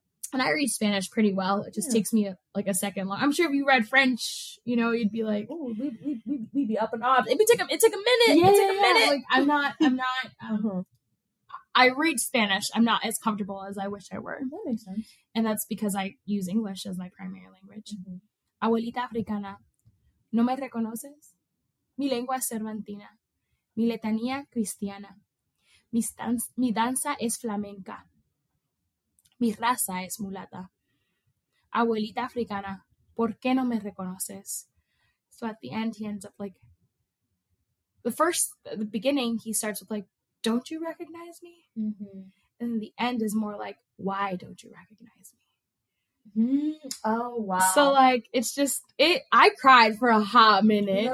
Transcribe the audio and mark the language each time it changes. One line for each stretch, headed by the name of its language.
English: And I read Spanish pretty well. It just takes me a second long. I'm sure if you read French, you know, you'd be like, oh, we'd be up and off. It took a minute. Yeah, it took a minute. Like, I'm not. I read Spanish. I'm not as comfortable as I wish I were. That makes sense. And that's because I use English as my primary language.
Spanish: Mm-hmm. Abuelita africana, no me reconoces? Mi lengua es cervantina. Mi letanía cristiana. Mi danza es flamenca. Mi raza es mulata. Abuelita africana, ¿por qué no me reconoces?
English: So at the end, he ends up like, the beginning, he starts with like, don't you recognize me? Mm-hmm. And the end is more like, why don't you recognize me? Mm-hmm. Oh, wow. So, like, it's just, I cried for a hot minute.